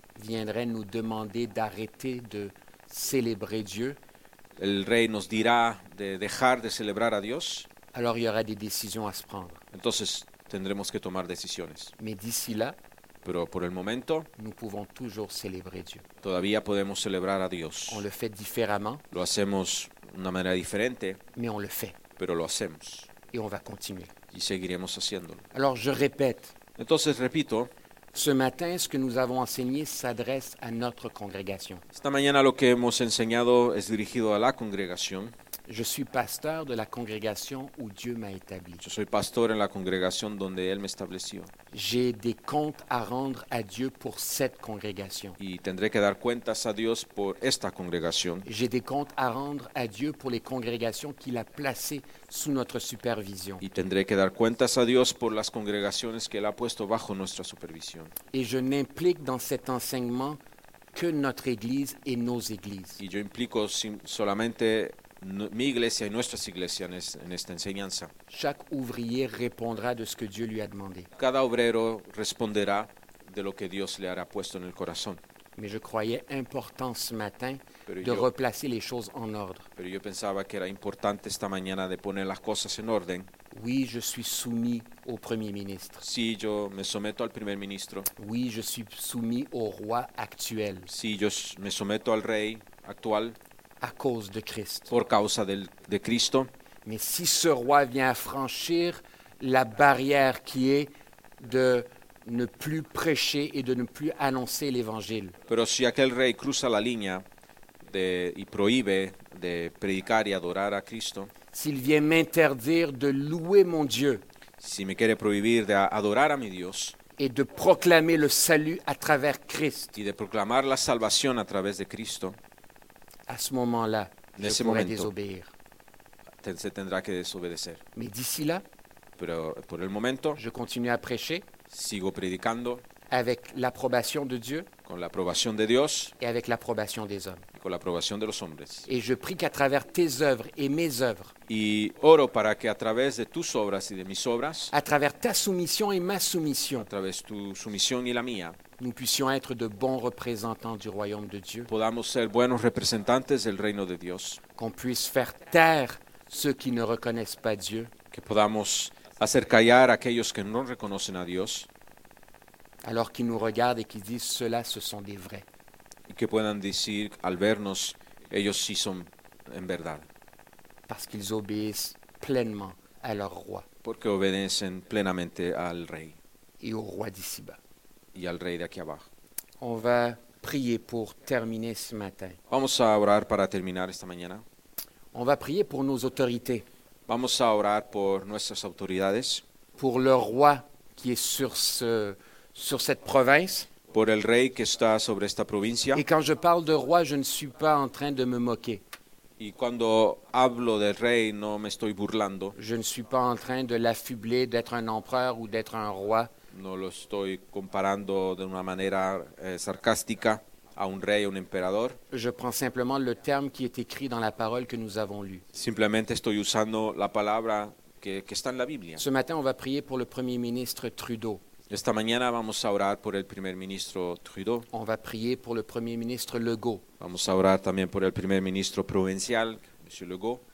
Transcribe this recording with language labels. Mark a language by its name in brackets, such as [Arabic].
[French] viendrait nous demander d'arrêter de célébrer Dieu. [Spanish] El rey nos dirá de dejar de celebrar a Dios. [French] Alors il y aura des décisions à se prendre. [Spanish] Entonces tendremos que tomar decisiones. [French] Mais d'ici là, [Spanish] pero por el momento, [French] nous pouvons toujours célébrer Dieu. [Spanish] Todavía podemos celebrar a Dios. [French] On le fait différemment. [Spanish] Lo hacemos de una manera diferente. [French] Mais on le fait. [Spanish] Pero lo hacemos. [French] Et on va continuer. [Spanish] Y seguiremos haciéndolo. [French] Alors je répète. [Spanish] Entonces repito. [French] Ce matin, ce que nous avons enseigné s'adresse à notre congrégation. [Spanish] Esta mañana lo que hemos enseñado es dirigido a la congregación. [French] Je suis pasteur de la congrégation où Dieu m'a établi. [Spanish] Yo soy pastor en la congregación donde él me estableció. [French] J'ai des comptes à rendre à Dieu pour cette congrégation. [Spanish] Y tendré que dar cuentas a Dios por esta congregación. [French] J'ai des comptes à rendre à Dieu pour les congrégations qu'il a placées sous notre supervision. [Spanish] Y tendré que dar cuentas a Dios por las congregaciones que él ha puesto bajo nuestra supervisión. [French] Et je n'implique dans cet enseignement que notre église et nos églises. [Spanish] Y yo implico solamente mi iglesia y nuestras iglesias en esta enseñanza. [French] Chaque ouvrier répondra de ce que Dieu lui a demandé. [Spanish] Cada obrero responderá de lo que Dios le hará puesto en el corazón. [French] Mais je croyais important ce matin de replacer les choses en ordre. [Spanish] Pero yo pensaba que era importante esta mañana de poner las cosas en orden. [French] Oui, je suis soumis au premier ministre. [Spanish] Sí, yo me someto al primer ministro. [French] Oui, je suis soumis au roi actuel. [Spanish] Sí, yo me someto al rey actual. [French] À cause de Christ. [Spanish] Por causa de Cristo. [French] Mais si ce roi vient franchir la barrière qui est de ne plus prêcher et de ne plus annoncer l'Évangile. [Spanish] Pero si aquel rey cruza la línea y prohíbe de predicar y adorar a Cristo. [French] S'il vient m'interdire de louer mon Dieu. [Spanish] Si me quiere prohibir de adorar a mi Dios. [French] Et de proclamer le salut à travers Christ. [Spanish] Y de proclamar la salvación a través de Cristo. [French] À ce moment-là, [Spanish] en ese [French] je pourrais [Spanish] momento, [French] désobéir. [Spanish] Se tendrá que desobedecer. [French] Mais d'ici là, [Spanish] pero por el momento, [French] je continue à prêcher. [Spanish] Sigo predicando. [French] Avec l'approbation de Dieu. [Spanish] Con la aprobación de Dios. [French] Et avec l'approbation des hommes. [Spanish] Y con la aprobación de los hombres. [French] Et je prie qu'à travers tes œuvres et mes œuvres. [Spanish] Y oro para que a través de tus obras y de mis obras. [French] À travers ta soumission et ma soumission. [Spanish] A través tu sumisión y la mía. [French] Nous puissions être de bons représentants du royaume de Dieu. [Spanish] Podamos ser buenos representantes del reino de Dios. [French] Qu'on puisse faire taire ceux qui ne reconnaissent pas Dieu. [Spanish] Que podamos hacer callar a aquellos que no reconocen a Dios. [French] Alors qu'ils nous regardent et qu'ils disent ceux-là, ce sont des vrais. [Spanish] Y que puedan decir al vernos, ellos sí son en verdad. [French] Parce qu'ils obéissent pleinement à leur roi. [Spanish] Porque obedecen plenamente al rey. [French] Et au roi d'ici-bas. [Spanish] Y al rey de aquí abajo. [French] On va prier pour terminer ce matin. [Spanish] Vamos a orar para terminar esta mañana. [French] On va prier pour nos autorités. [Spanish] Vamos a orar por nuestras autoridades. [French] Pour le roi qui est sur cette province. [Spanish] Por el rey que está sobre esta provincia. [French] Et quand je parle de roi, je ne suis pas en train de me moquer. [Spanish] Y cuando hablo del rey, no me estoy burlando. [French] Je ne suis pas en train de l'affubler d'être un empereur ou d'être un roi. [Spanish] No lo estoy comparando de una manera sarcástica a un rey o un emperador. [French] Je prends simplement le terme qui est écrit dans la parole que nous avons lu. [Spanish] Simplemente estoy usando la palabra que está en la Biblia. [French] Ce matin, on va prier pour le premier ministre Trudeau. [Spanish] Esta mañana vamos a orar por el primer ministro Trudeau. [French] On va prier pour le premier ministre Legault. [Spanish] Vamos a orar también por el primer ministro provincial, Monsieur Legault.